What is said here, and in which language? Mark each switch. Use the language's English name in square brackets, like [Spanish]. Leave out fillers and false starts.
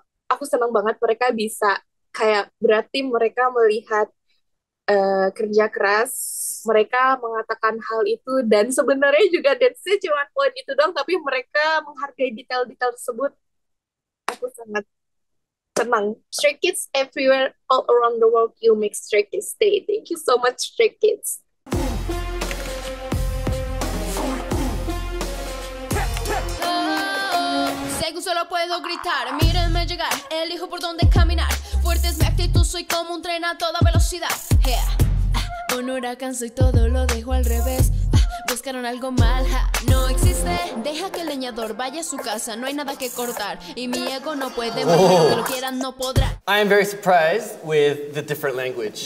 [Indonesian] Aku senang banget mereka bisa kayak berarti mereka melihat kerja keras mereka mengatakan hal itu dan sebenarnya juga dance-nya cuma poin itu doang tapi mereka menghargai detail-detail tersebut. Aku sangat senang. [English] Stray Kids everywhere all around the world, you make Stray Kids stay. Thank you so much Stray Kids. [Spanish] Solo puedo gritar, mírenme llegar, elijo por dónde caminar. Fuerte es mi actitud, soy como un tren a toda velocidad. Yeah. Un huracán, soy todo, lo dejo al revés. Buscaron algo mal, ja. No existe. Deja que el leñador vaya a su casa, no hay nada que cortar. Y mi ego no puede, pero que lo quieran no podrá. [English] I am very surprised with the different language.